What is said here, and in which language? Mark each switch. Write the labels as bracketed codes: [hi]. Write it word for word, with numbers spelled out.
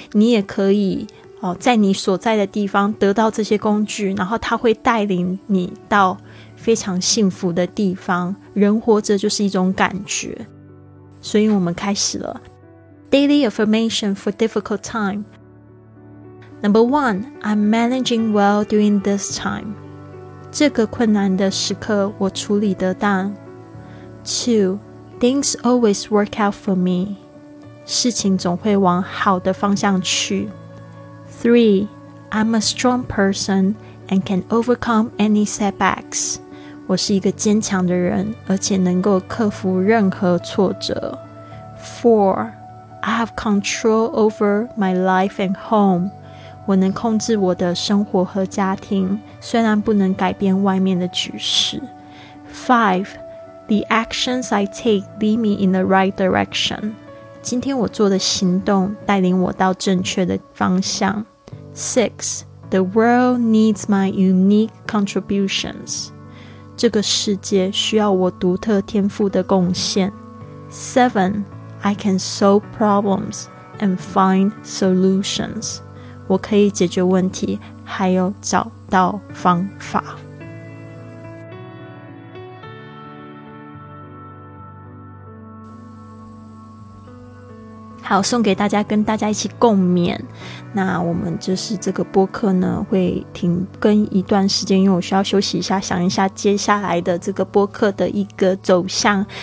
[zh] 你也可以、哦、在你所在的地方得到这些工具，然后它会带领你到非常幸福的地方。人活着就是一种感觉，所以我们开始了 [en] Daily Affirmation for Difficult Time. Number one, I'm managing well during this time. [zh] 这个困难的时刻我处理得当。 [en] Two, things always work out for me. [zh] 事情总会往好的方向去。 [en] Three, I'm a strong person and can overcome any setbacks. [zh] 我是一个坚强的人，而且能够克服任何挫折。 [en] Four, I have control over my life and home. [zh] 我能控制我的生活和家庭，虽然不能改变外面的局势。 [en] Five, the actions I take lead me in the right direction. [zh] 今天我做的行动带领我到正确的方向。 [en] Six, the world needs my unique contributions. [zh] 这个世界需要我独特天赋的贡献。 [en] Seven, I can solve problems and find solutions. [zh] 我可以解决问题，还有找到方法。好，送给大家，跟大家一起共勉。那我们就是这个播客呢会停更一段时间，因为我需要休息一下，想一下接下来的这个播客的一个走向。